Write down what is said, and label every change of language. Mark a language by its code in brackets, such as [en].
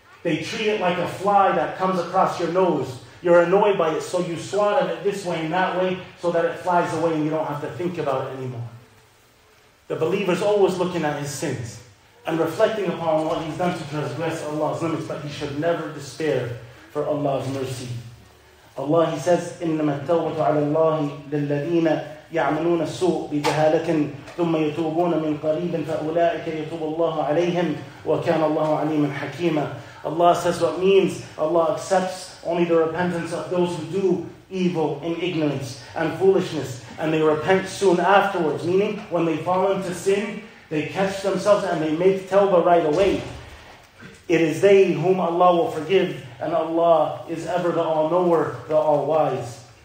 [en] They treat it like a fly that comes across your nose. You're annoyed by it, so you swat at it this way and that way so that it flies away and you don't have to think about it anymore. The believer's always looking at his sins and reflecting upon what he's done to transgress Allah's limits, but he should never despair for Allah's mercy. Allah, he says, [ar] إِنَّمَا التَّوْبَةُ عَلَى اللَّهِ لِلَّذِينَ يَعْمَلُونَ السُّوءَ بِجَهَالَةٍ ثُمَّ يَتُوبُونَ مِنْ قَرِيبٍ فَأُولَٰئِكَ يَتُوبُ اللَّهُ عَلَيْهِمْ وَكَانَ اللَّهُ عَلِيمًا حَكِيمًا. [en] Allah says what means Allah accepts only the repentance of those who do evil in ignorance and foolishness, and they repent soon afterwards, meaning when they fall into sin, they catch themselves and they make tawbah right away. It is they whom Allah will forgive, and Allah is ever the all-knower, the all-wise.